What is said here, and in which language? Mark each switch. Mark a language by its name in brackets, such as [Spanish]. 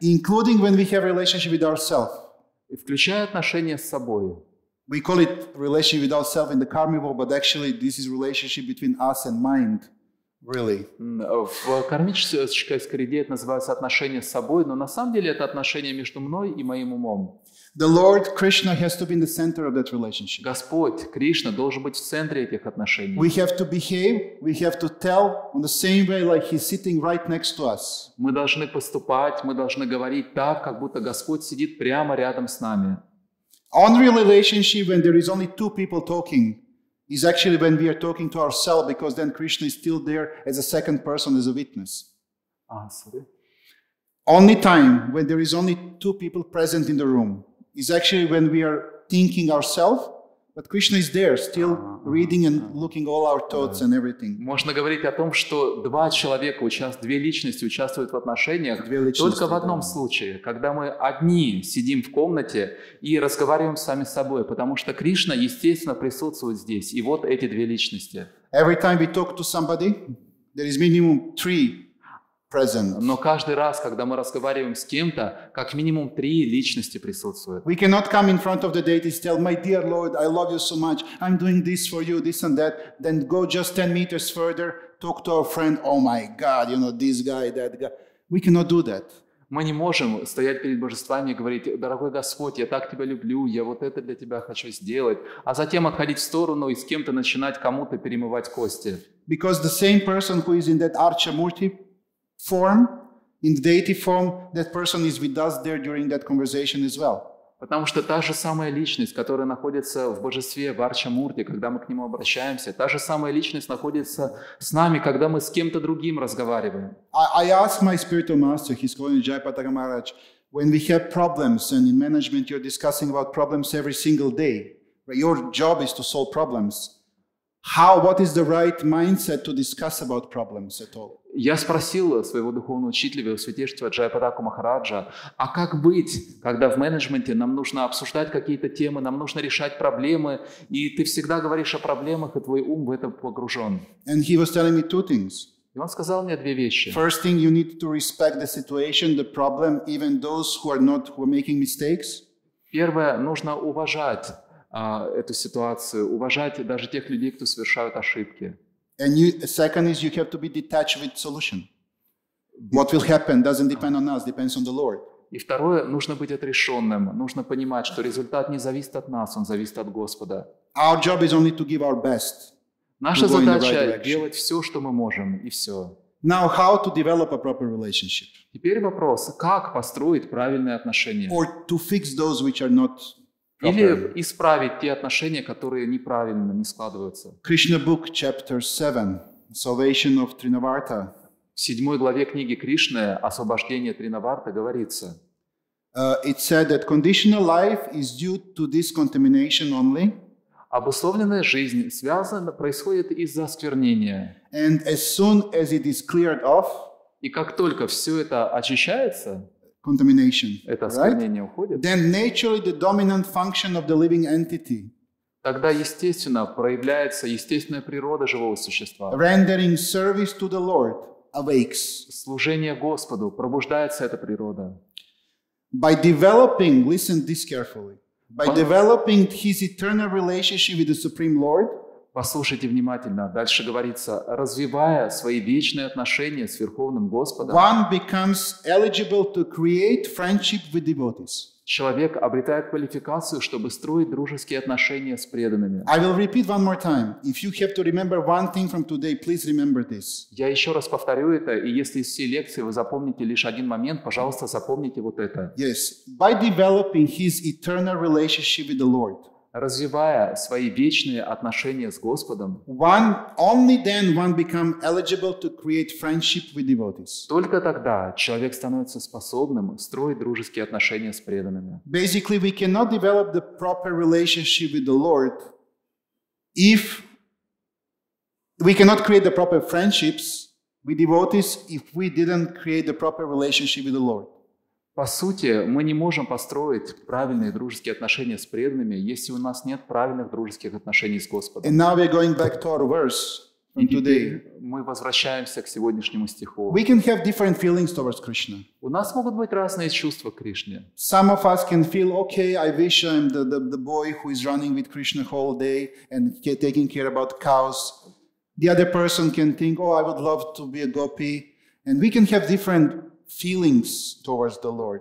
[English] including when we have a relationship with ourselves, [Russian] включая отношения с собой, [English] we call it relationship with ourselves in the karma world, but actually this is relationship between us and mind, really. [Russian] В кармической среде это называется отношения с собой, но на самом деле это отношения между мной и моим умом. [English] The Lord Krishna has to be in the center of that relationship. [Russian] Господь Кришна должен быть в центре этих отношений. [English] We have to behave, we have to tell in the same way like he's sitting right next to us. [Russian] Мы должны поступать, мы должны говорить так, как будто Господь сидит прямо рядом с нами. [English] Only relationship when there is only two people talking is actually when we are talking to ourselves, because then Krishna is still there as a second person, as a witness. Only time when there is only two people present in the room is actually when we are thinking ourselves, but Krishna is there, still reading and looking all our thoughts and everything. [Russian] Можно говорить о том, что два человека, две личности участвуют в отношениях только в одном случае, когда мы одни сидим в комнате и разговариваем сами с собой, потому что Кришна, естественно, присутствует здесь. И вот эти две личности. [English] Every time we talk to somebody, there is minimum three. [Russian] Но каждый раз, когда мы разговариваем с кем-то, как минимум три личности присутствуют. [English] We cannot come in front of the deity and tell, my dear Lord, I love you so much, I'm doing this for you, this and that. Then go just 10 meters further, talk to our friend, oh my God, you know, this guy, that guy. We cannot do that. [Russian] Мы не можем стоять перед божествами и говорить, дорогой Господь, я так тебя люблю, я вот это для тебя хочу сделать, а затем отходить в сторону и с кем-то начинать кому-то перемывать кости. [English] Because the same person who is in that Archamurti form, in the deity form, that person is with us there during that conversation as well. [Russian] Потому что та же самая личность, которая находится в божестве, в Арчамурте, когда мы к нему обращаемся, та же самая личность находится с нами, когда мы с кем-то другим разговариваем. [English] I asked my spiritual master, he's calling Jayapataka Maharaj, when we have problems, and in management you're discussing about problems every single day, right? Your job is to solve problems. How, what is the right mindset to discuss about problems at all? [Russian] Я спросил своего духовного учителя, святейшего Джаяпатаку Махараджа, а как быть, когда в менеджменте нам нужно обсуждать какие-то темы, нам нужно решать проблемы, и ты всегда говоришь о проблемах, и твой ум в это погружен. [English] And he was telling me two things. [Russian] И он сказал мне две вещи. [English] First thing, you need to respect the situation, the problem, even those who are not, who are making mistakes. [Russian] Первое, нужно уважать эту ситуацию, уважать даже тех людей, кто совершают ошибки. [English] And you, second is, you have to be detached with solution. What will happen doesn't depend on us, depends on the Lord. [Russian] И второе, нужно быть отрешенным, нужно понимать, что результат не зависит от нас, он зависит от Господа. [English] Our job is only to give our best. [Russian] Наша задача делать все, что мы можем, и все. [English] Now, how to develop a proper relationship? [Russian] Теперь вопрос, как построить правильные отношения? [English] Or to fix those which are not proper. [Russian] Или исправить те отношения, которые неправильно, не складываются. [English] Krishna book chapter 7, salvation of Trinavarta. [Russian] В 7 главе книги Кришны «Освобождение Тринаварты» говорится. [English] It said that conditional life is due to this contamination only. [Russian] Обусловленная жизнь связана, происходит из-за осквернения. [English] And as soon as it is cleared off, [Russian] и как только все это очищается, [English] contamination, [Russian] это осквернение уходит, [English] then naturally the dominant function of the living entity, [Russian] тогда естественно проявляется естественная природа живого существа. [English] Rendering service to the Lord awakes. [Russian] Служение Господу, пробуждается эта природа. [English] By developing, listen this carefully, by developing his eternal relationship with the Supreme Lord, [Russian] послушайте внимательно, дальше говорится, развивая свои вечные отношения с Верховным Господом, [English] one becomes eligible to create friendship with devotees. [Russian] Человек обретает квалификацию, чтобы строить дружеские отношения с преданными. [English] I will repeat one more time. If you have to remember one thing from today, please remember this. [Russian] Я еще раз повторю это, и если из всей лекции вы запомните лишь один момент, пожалуйста, запомните вот это. [English] Yes. By developing his eternal relationship with the Lord, [Russian] развивая свои вечные отношения с Господом, [English] one, only then one become eligible to create friendship with devotees. [Russian] Только тогда человек становится способным строить дружеские отношения с преданными. [English] Basically, we cannot develop the proper relationship with the Lord if we cannot create the proper friendships with devotees if we didn't create the proper relationship with the Lord. [Russian] По сути, мы не можем построить правильные дружеские отношения с преданными, если у нас нет правильных дружеских отношений с Господом. [English] And now we're going back to our verse from today. [Russian] Мы возвращаемся к сегодняшнему стиху. [English] We can have different feelings towards Krishna. [Russian] У нас могут быть разные чувства к Кришне. [English] Some of us can feel, okay, I wish I'm the boy who is running with Krishna whole day and taking care about cows. The other person can think, oh, I would love to be a gopi. And we can have different feelings towards the Lord.